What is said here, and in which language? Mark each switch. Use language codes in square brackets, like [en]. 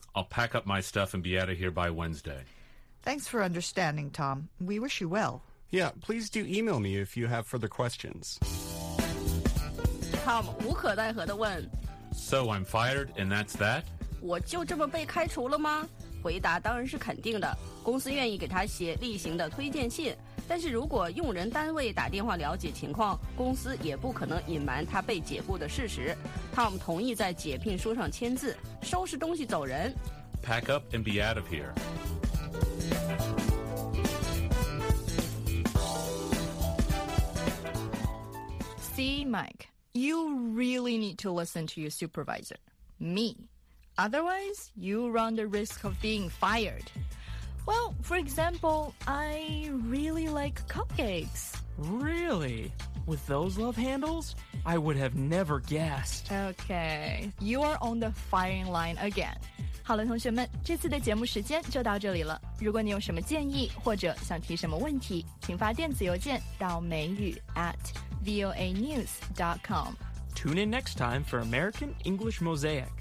[en] I'll pack up my stuff and be out of here by Wednesday. Thanks for understanding, Tom. We wish you well. Yeah, please do email me if you have further questions. [zh] Tom 无可奈何地问 [en] So I'm fired and that's that? [zh] 我就这么被开除了吗？回答当然是肯定的。公司愿意给他写例行的推荐信。但是如果用人单位打电话了解情况，公司也不可能隐瞒他被解雇的事实。 Tom 同意在解聘书上签字，收拾东西走人。 [en] Pack up and be out of here. See, Mike, you really need to listen to your supervisor, me. Otherwise, you run the risk of being fired. Well, for example, I really like cupcakes. Really? With those love handles? I would have never guessed. Okay, you are on the firing line again. [zh] 好了，同学们，这次的节目时间就到这里了。如果你有什么建议或者想提什么问题，请发电子邮件到美语@voanews.com. [en] Tune in next time for American English Mosaic.